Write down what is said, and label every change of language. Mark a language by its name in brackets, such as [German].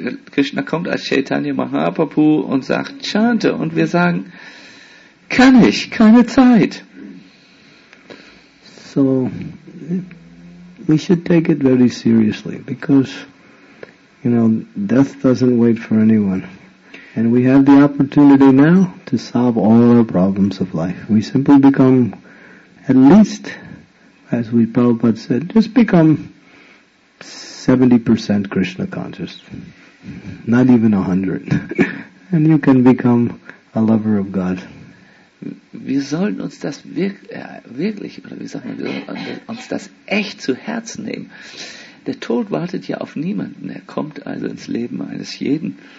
[German] Krishna kommt als Chaitanya Mahaprabhu und sagt chante und wir sagen kann ich, keine Zeit. [English] So we should take it very seriously because you know, death doesn't wait for anyone. And we have the opportunity now to solve all our problems of life. We simply become, at least, as we Prabhupada said, just become 70% Krishna conscious. Not even 100. And you can become a lover of God. [German] Wir sollten uns das wirklich, oder wie sagt man, wir sollten uns das echt zu Herzen nehmen. Der Tod wartet ja auf niemanden. Er kommt also ins Leben eines jeden.